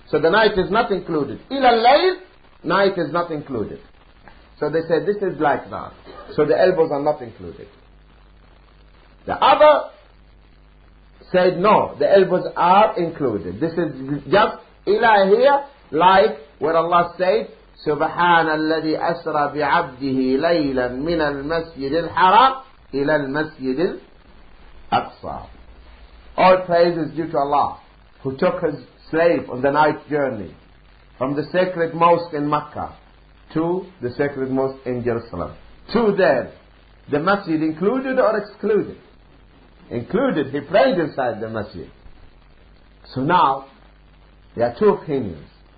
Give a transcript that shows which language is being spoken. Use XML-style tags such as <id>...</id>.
<en>So the night is not included.</en> <ar>إِلَى اللَّيْلِ,</ar> <en>night is not included. So they said, this is like that. So the elbows are not included. The other said, no, the elbows are included. This is just إِلَى here, like where Allah said,</en> <ar>سبحان الذي أسرى بعبده ليلا من المسجد الحرام إلى المسجد الأقصى.</ar> <en>All praise is due to Allah, who took his slave on the night journey from the sacred mosque in Makkah to the sacred mosque in Jerusalem. To there, the masjid included or excluded? Included, he prayed inside the masjid. So now, there are two opinions.</en>